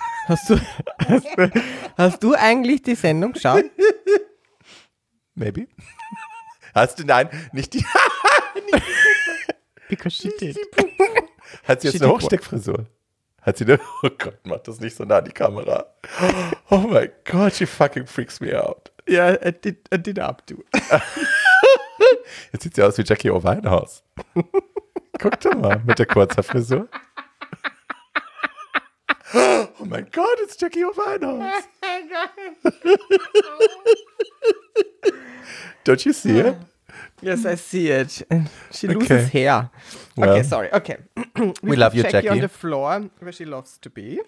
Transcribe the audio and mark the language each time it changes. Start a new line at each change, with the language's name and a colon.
German: Hast du eigentlich die Sendung geschaut?
English: Maybe.
German: Hast du, nein, nicht die.
English: Because she did.
German: Hat sie jetzt eine Hochsteckfrisur? Hat sie eine, oh Gott, mach das nicht so nah an die Kamera.
English: Oh my God, she fucking freaks me out. Yeah, I did up to.
German: Jetzt sieht sie aus wie Jackie O. Winehouse. Guck doch mal, mit der kurzen Frisur. Oh mein Gott,
English: it's Jackie O' Winehouse. Don't you see it? Yes, I see it. She loses okay. hair. Okay, well, sorry. Okay. We love you, Jackie. Jackie on the floor, where she loves to be.